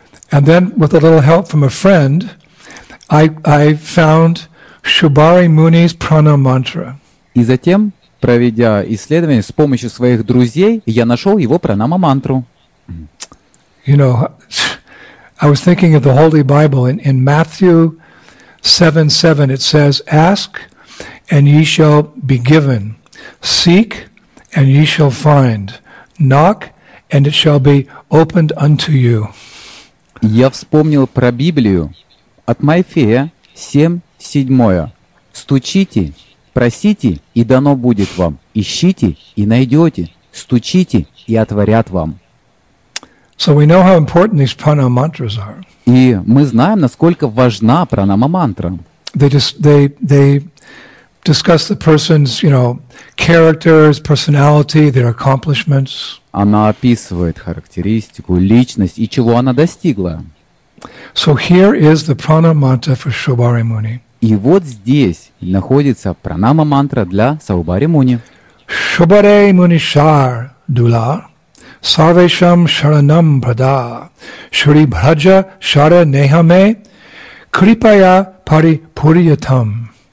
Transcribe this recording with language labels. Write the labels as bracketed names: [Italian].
[English] And then, with a little help from a friend, I found Shobari Muni's prana mantra. [Russian] И затем, проведя исследование с помощью своих друзей, я нашел его пранама-мантру. [English] You know, I was thinking of the Holy Bible. In Matthew 7:7 it says, "Ask, and ye shall be given; seek, and ye shall find; knock, and it shall be opened unto you." [Russian] Я вспомнил про Библию от Матфея 7:7. Стучите, просите, и дано будет вам. Ищите, и найдете. Стучите, и отворят вам. [English] So we know how important these prana mantras are. [Russian] И мы знаем, насколько важна пранама-мантра. [English] They discuss the person's, you know, characters, personality, their accomplishments. [Russian] Она описывает характеристику, личность и чего она достигла. [English] So here is the prana mantra for Shobari Muni. [Russian] И вот здесь находится пранама-мантра для Шобари Муни. [Sanskrit] Шобаре Мунишар Дула Сарвешам Шаранам Прада Шри Бхаджа Шара Нехаме Крипая Пари Пурьятам.